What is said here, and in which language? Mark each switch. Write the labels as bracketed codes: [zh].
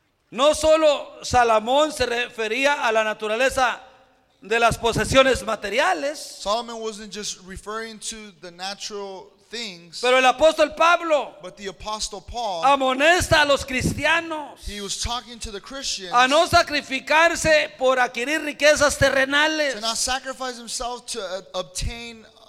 [es] No solo Salomón se refería a la naturaleza de las posesiones materiales. [en] Solomon wasn't just referring to the natural things. [es] Pero el apóstol Pablo amonesta a los cristianos [en] he was talking to the Christians, [es] a no sacrificarse por adquirir riquezas terrenales. [en] To not sacrifice himself to obtain